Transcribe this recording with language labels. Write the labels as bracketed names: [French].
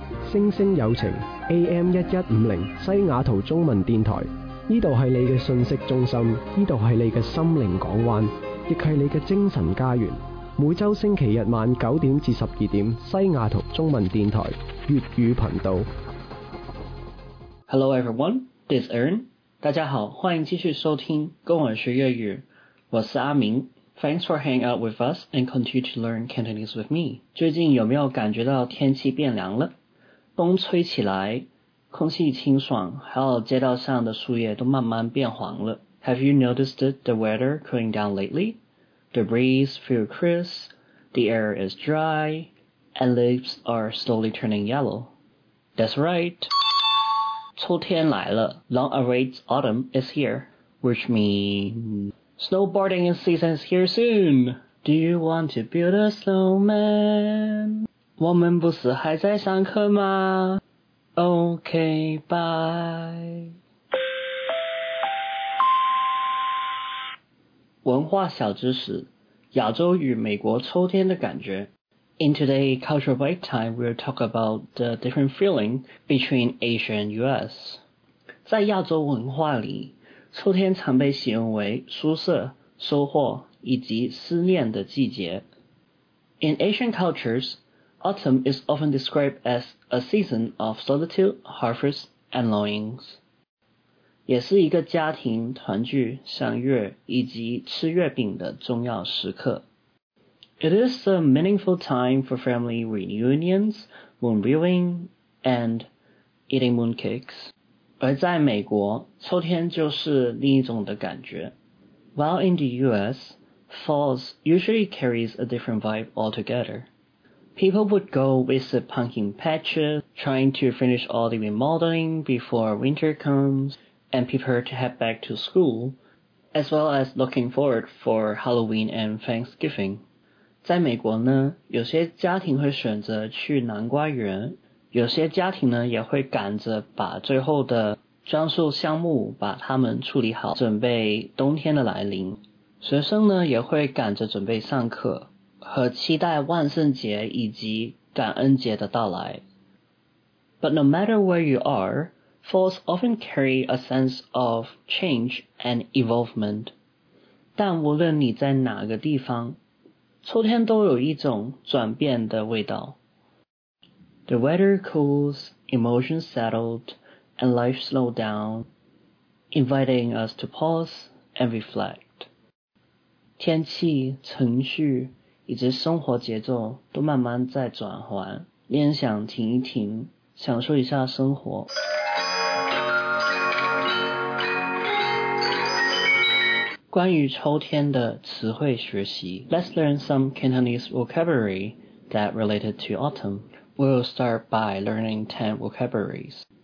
[Chinese] 星星有情 AM 1150西雅图中文电台，这里是你的信息中心，这里是你的心灵港湾，亦是你的精神家园。每周星期日晚9点至12点，西雅图中文电台粤语频道。 [English] Hello everyone, this is Aaron. [Chinese] 大家好，欢迎继续收听跟我学粤语，我是阿明。 [English] Thanks for hanging out with us and continue to learn Cantonese with me. [Chinese] 最近有没有感觉到天气变凉了？风吹起来，空气清爽，还有街道上的树叶都慢慢变黄了。 [English] Have you noticed the weather cooling down lately? The breeze feels crisp, the air is dry, and leaves are slowly turning yellow. That's right. [Chinese] 秋天来了， [English] long awaited autumn is here, which means... Snowboarding season is here soon! Do you want to build a snowman? [Chinese] 我们不是还在上课吗？ [English] OK, bye! [Chinese] 文化小知识，亚洲与美国秋天的感觉。 [English] In today's cultural break time, we'll talk about the different feeling between Asia and US. [Chinese] 在亚洲文化里，秋天常被形容为舒适、收获以及思念的季节。 [English] In Asian cultures, autumn is often described as a season of solitude, harvest, and longings. [Chinese] 也是一个家庭团聚、赏月以及吃月饼的重要时刻。 [English] It is a meaningful time for family reunions, moon viewing, and eating mooncakes. [Chinese] 而在美国，秋天就是另一种的感觉。 [English] While in the US, fall usually carries a different vibe altogether. People would go visit pumpkin patches, trying to finish all the remodeling before winter comes, and prepare to head back to school, as well as looking forward for Halloween and Thanksgiving. [Chinese] 在美国呢，有些家庭会选择去南瓜园，有些家庭呢也会赶着把最后的装束项目把它们处理好，准备冬天的来临。学生呢也会赶着准备上课和期待万圣节以及感恩节的到来。 [English] But no matter where you are, falls often carry a sense of change and evolvement. [Chinese] 但无论你在哪个地方，秋天都有一种转变的味道。 [English] The weather cools, emotions settled, and life slowed down, inviting us to pause and reflect. [Chinese] 天气、程序以及生活节奏都慢慢在转换，你很想停一停，享受一下生活。关于秋天的词汇学习， [English] Let's learn some Cantonese vocabulary that related to autumn. We'll start by learning 10 vocabularies.